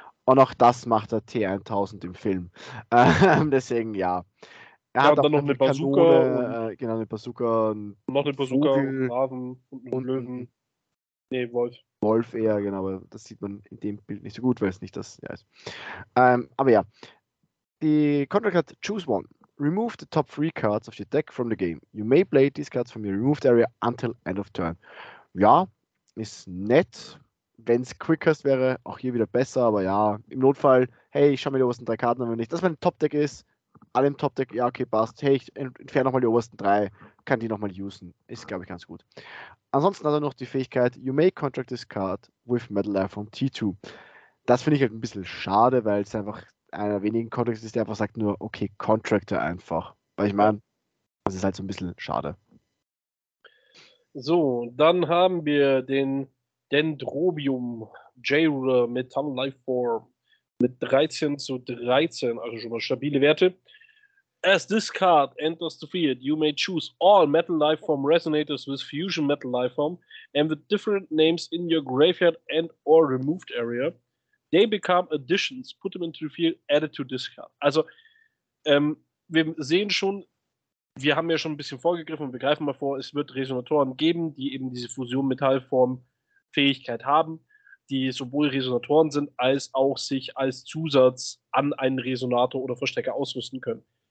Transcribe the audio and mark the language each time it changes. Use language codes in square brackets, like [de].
[de] Und auch das macht der T-1000 im Film. Deswegen, ja. Er hat dann noch eine Bazooka. Kanone, genau, eine Bazooka. Noch eine Bazooka, Raven und Löwen. Nee, Wolf. Wolf eher, genau. Aber das sieht man in dem Bild nicht so gut, weil es nicht das ja, ist. Aber ja. Die Contract hat Choose One. [en] Remove the top 3 cards of your deck from the game. You may play these cards from your removed area until end of turn. [de] Ja, ist nett, wenn es Quickest wäre, auch hier wieder besser, aber ja, im Notfall, hey, ich schau mir die obersten 3 Karten an, wenn nicht, dass mein Top-Deck ist, alle im Top-Deck, ja, okay, passt, hey, ich entferne nochmal die obersten 3, kann die nochmal usen, ist, glaube ich, ganz gut. Ansonsten hat er noch die Fähigkeit, [en] you may contract this card with Metal Life from T2. [de] Das finde ich halt ein bisschen schade, weil es einfach einer wenigen Contracts ist, der einfach sagt nur, okay, Contractor einfach, weil ich meine, das ist halt so ein bisschen schade. So, dann haben wir den Dendrobium J-Ruler Metal Lifeform mit 13 zu 13, also schon mal stabile Werte. [en] As this card enters the field, you may choose all Metal Lifeform Resonators with Fusion Metal Lifeform and with different names in your graveyard and or removed area. They become additions. Put them into the field, added to this card. [de] Also, wir sehen schon, wir haben ja schon ein bisschen vorgegriffen und wir greifen mal vor, es wird Resonatoren geben, die eben diese Fusion-Metallform-Fähigkeit haben, die sowohl Resonatoren sind, als auch sich als Zusatz an einen Resonator oder Verstecker ausrüsten können.